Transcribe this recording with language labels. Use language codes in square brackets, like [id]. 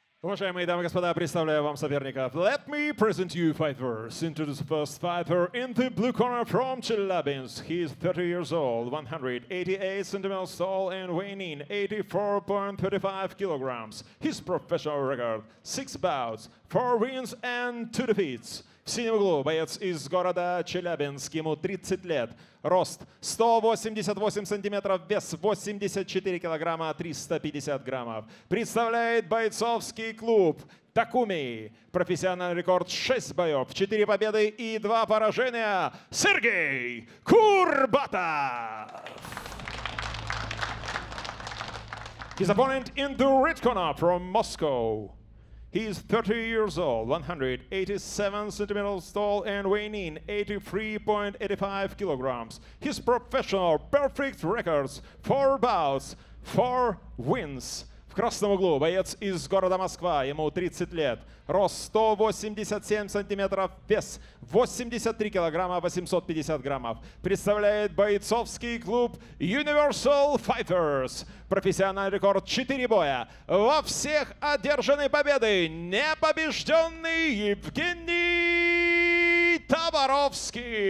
[ru] Уважаемые дамы и господа, представляю вам соперников. [en] Let me present you fighters. Introduce the first fighter in the blue corner from Chelyabinsk. He is 30 years old, 188 centimeters tall and weighing in 84.35 kilograms. His professional record: 6 bouts, 4 wins and 2 defeats. [ru] В синем углу боец из города Челябинск, ему 30 лет, рост 188 сантиметров, вес 84 килограмма, 350 граммов. Представляет бойцовский клуб «Такуми». Профессиональный рекорд 6 боев, 4 победы и 2 поражения. Сергей Курбатов! [en] His opponent in the red corner from Moscow. He is 30 years old, 187 centimeters tall, and weighing in 83.85 kilograms. His professional perfect records: 4 bouts, 4 wins. [ru] В красном углу боец из города Москва, ему 30 лет, рост 187 сантиметров, вес 83 килограмма, 850 граммов. Представляет бойцовский клуб Universal Fighters. Профессиональный рекорд 4 боя. Во всех одержаны победы непобежденный Евгений Товаровский.